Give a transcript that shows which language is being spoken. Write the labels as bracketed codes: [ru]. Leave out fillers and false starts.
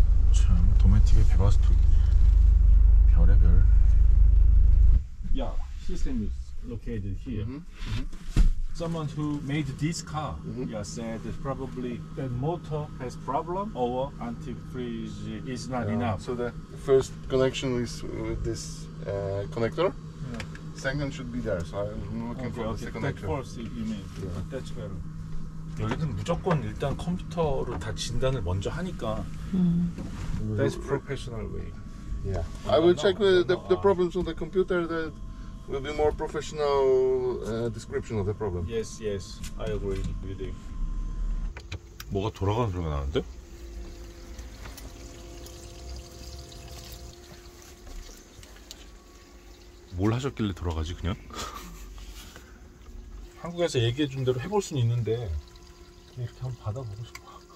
[ko] 참 도메틱의 베바스토 별의 별. [en] 야 시스템 is located here. Someone who made this car said that probably the motor has problem or antifreeze is not enough. So the first connection is with this connector. Second should be there. So I'm looking for the second connector. That first you mean. That's better. [ko] 여기는 무조건 일단 컴퓨터로 다 진단을 먼저 하니까. [en] That's professional way. Yeah. I will check the problems on the computer that will be more professional description of the problem. Yes, yes, I agree with you. [ko] 뭐가 돌아가는 소리가 나는데? 뭘 하셨길래 돌아가지 그냥? 한국에서 얘기해 준 대로 해볼 수는 있는데 이렇게 한번 받아보고 싶어.